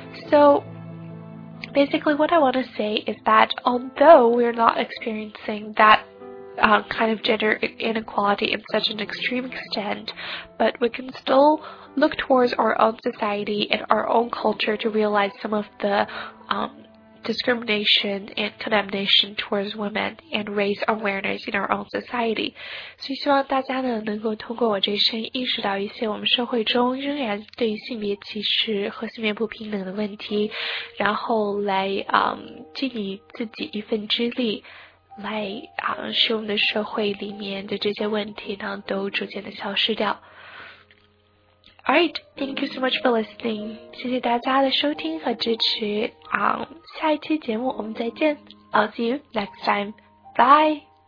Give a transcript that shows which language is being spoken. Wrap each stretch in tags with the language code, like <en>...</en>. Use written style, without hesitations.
<en>So basically what I want to say is that although we're not experiencing that kind of gender inequality in such an extreme extent, but we can still look towards our own society and our own culture to realize some of the discrimination and condemnation towards women and raise awareness in our own society.</en> <zh>所以希望大家呢能够通过我这声音意识到一些我们社会中仍然对于性别歧视和性别不平等的问题，然后来尽你自己一份之力来使我们的社会里面的这些问题呢都逐渐的消失掉。</zh> <en>Alright, thank you so much for listening.</en> <zh>谢谢大家的收听和支持。下一期节目我们再见。</zh> <en>I'll see you next time. Bye!</en>